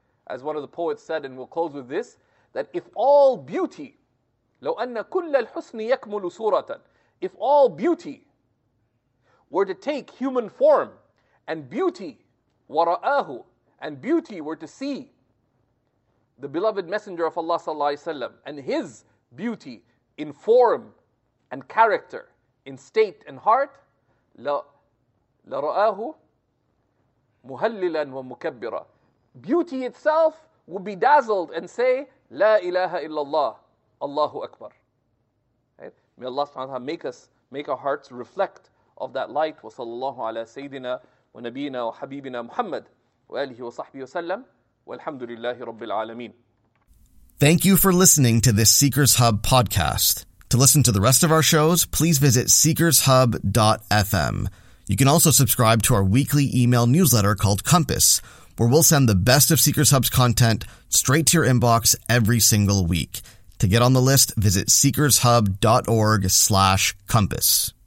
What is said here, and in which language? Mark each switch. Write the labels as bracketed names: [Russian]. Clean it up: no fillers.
[English] As one of the poets said, and we'll close with this, that if all beauty, [Arabic] لو أن كل الحسن يكمل صورة, [English] if all beauty were to take human form, and beauty ورآه, and beauty were to see the beloved messenger of Allah sallallahu alayhi wa sallam, and his beauty in form and character, in state and heart, [Arabic] لرآه مهللا ومكبرا. [English] Beauty itself would be dazzled and say, [Arabic] لا إله إلا الله, الله أكبر. [English] Right? May Allah subhanahu wa ta'ala make our hearts reflect of that light. [Arabic] وصلى الله على سيدنا ونبينا وحبيبنا محمد وآله وصحبه وسلم والحمد لله رب العالمين. [English] Thank you for listening to this Seekers Hub podcast. To listen to the rest of our shows, please visit seekershub.fm. You can also subscribe to our weekly email newsletter called Compass, where we'll send the best of Seekers Hub's content straight to your inbox every single week. To get on the list, visit seekershub.org/compass.